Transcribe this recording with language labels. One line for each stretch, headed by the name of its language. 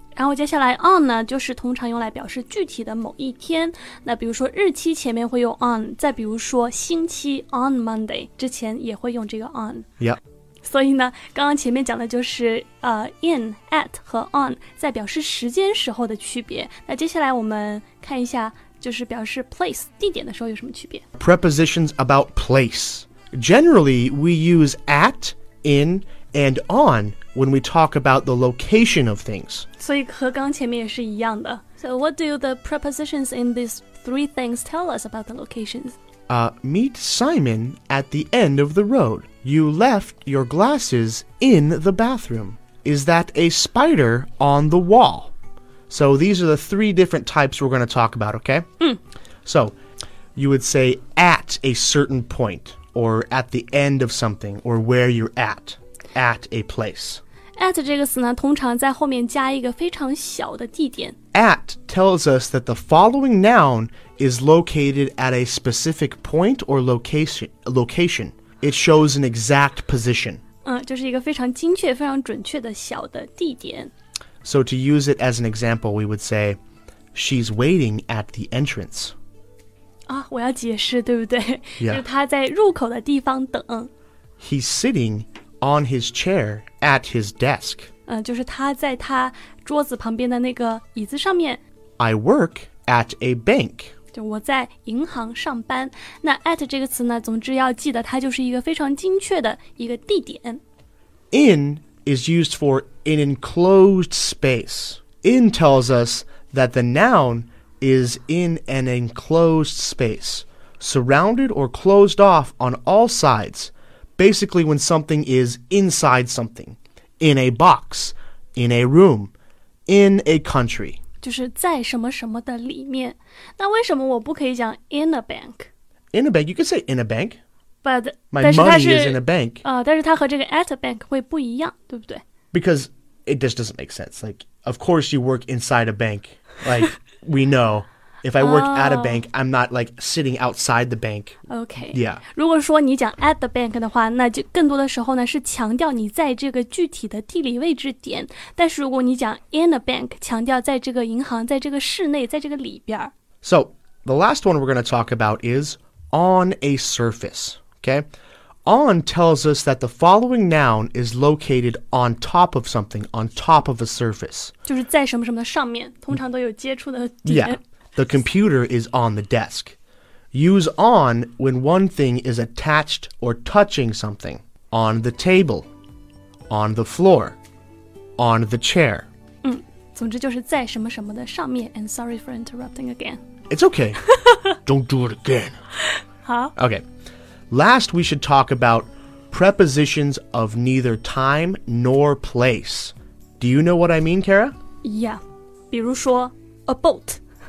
Chinese: 然后接下来 on 呢就是通常用来表示具体的某一天，那比如说日期前面会用 on， 再比如说星期
English: on Monday
Chinese: 之前也会用这个 on。
English: Yep.
Chinese: 所以呢刚刚前面讲的就是in, at 和 on 在表示时间时候的区别。那接下来我们看一下就是表示 place 地点的时候有什么区别。
English: Prepositions about place. Generally we use at, in,and on when we talk about the location of things.
Chinese: 所以和刚前面也是一样的。
English: So what do the prepositions in these three things tell us about the locations? Meet Simon at the end of the road. You left your glasses in the bathroom. Is that a spider on the wall? So these are the three different types we're going to talk about, okay? So you would say at a certain point, or at the end of something, or where you're at. At a place.
Chinese: At 这个词呢通常在后面加一个非常小的地点。
English: At tells us that the following noun is located at a specific point or location. It shows an exact position.
Chinese: 就是一个非常精确非常准确的小的地点。
English: So to use it as an example, we would say, she's waiting at the entrance.
Chinese: 我要解释对不对、
English: yeah.
Chinese: 就是她在入口的地方等。
English: He's sittingOn his chair at his desk.
Chinese: 就是他在他桌子旁边的那个椅子上面。
English: I work at a bank.
Chinese: 就我在银行上班。那 at 这个词呢，总之要记得它就是一个非常精确的一个地点。
English: In is used for an enclosed space. In tells us that the noun is in an enclosed space, surrounded or closed off on all sides. Basically, when something is inside something, in a box, in a room, in a country.
Chinese: 就是在什么什么的里面。那为什么我不可以讲
English: in a bank? In a bank, you can say in a bank. But my money is in a bank.
Chinese: 但是它和这个
English: at a bank
Chinese: 会不一样，对不对？
English: Because it just doesn't make sense. Like, of course you work inside a bank. Like, we know. If I work at a bank, I'm not like sitting outside the bank. Okay. Yeah.
Chinese: 如果说你讲
English: at the bank
Chinese: 的话，那就更多的时候呢，是强调你在这个具体的地理位置点。但是如果你讲
English: in a bank,
Chinese: 强调在这个银行，在这个室内，在这个里边。
English: So, the last one we're going to talk about is on a surface. Okay, on tells us that the following noun is located on top of something, on top of a surface.
Chinese: 就是在什么什么的上面，通常都有接触的点。
English: Yeah, the computer is on the desk. Use on when one thing is attached or touching something. On the table, on the floor, on the chair.
Chinese: 总之就是在什么什么的上面。
English: And sorry for interrupting again. It's okay. Don't do it again.
Chinese: 好。
English: Okay. Last, we should talk about prepositions of neither time nor place. Do you know what I mean, Kara?
Chinese: Yeah. 比如说 about.